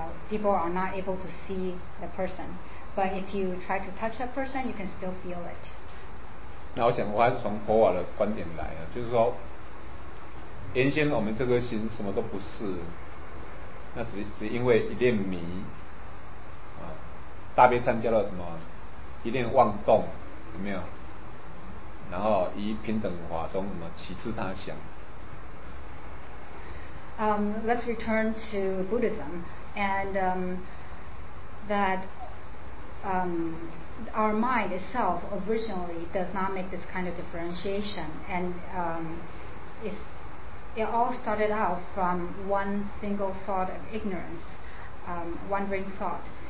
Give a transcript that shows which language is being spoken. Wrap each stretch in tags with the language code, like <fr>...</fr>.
<en>people are not able to see the person, but if you try to touch that person, you can still feel it.</en> <zh>那我想我还是从佛法的观点来啊，就是说，原先我们这个心什么都不是，那只因为一念迷，啊，大悲参加了什么一念妄动，有没有？然后以平等法中什么起自他想。</zh> <en>Let's return to Buddhism, and that our mind itself originally does not make this kind of differentiation, and it all started out from one single thought of ignorance, wandering thought.</en>